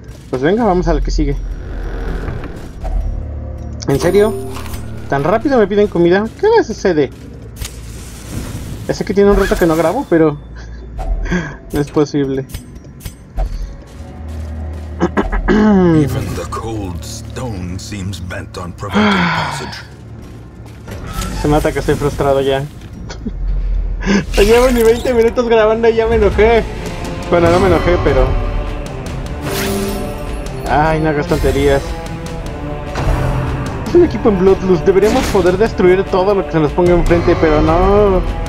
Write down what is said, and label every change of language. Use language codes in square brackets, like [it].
[es] Pues venga, vamos a lo que sigue. ¿En serio? ¿Tan rápido me piden comida? ¿Qué les sucede? Ya sé que tiene un rato que no grabo, pero... no es posible. [en] Even the cold stone seems bent on preventing passage. [es] Se nota que estoy frustrado ya. No llevo ni 20 minutos grabando y ya me enojé. Bueno, no me enojé, pero... ay, no hagas tonterías. Es un equipo en Bloodlust. Deberíamos poder destruir todo lo que se nos ponga enfrente, pero no...